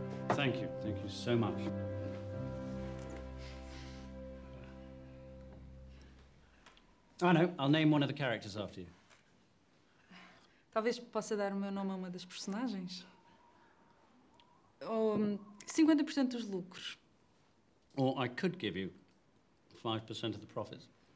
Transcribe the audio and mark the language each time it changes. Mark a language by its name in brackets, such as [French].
[English] Thank you so much. I know. I'll name one of the characters after you. [Portuguese] Talvez possa dar o meu nome a uma das personagens. Ou 50% dos lucros. [English] Or I could give you 5% of the profits.